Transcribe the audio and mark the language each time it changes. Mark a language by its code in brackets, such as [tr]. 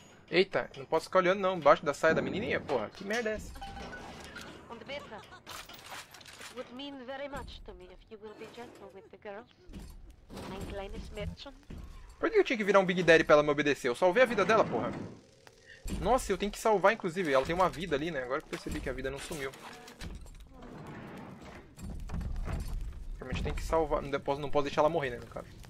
[pt] Eita, não posso ficar olhando não, embaixo da saia da menininha, porra. Que merda é essa? [en] On the beta. Would mean very much to me if you will be gentle with the girls. [de] Mein kleines Mädchen. [pt] Por que eu tinha que virar um Big Daddy pra ela me obedecer? Eu salvei a vida dela, porra. Nossa, eu tenho que salvar, inclusive. Ela tem uma vida ali, né? Agora que percebi que a vida não sumiu. Realmente tem que salvar. Não posso deixar ela morrer, né, no caso.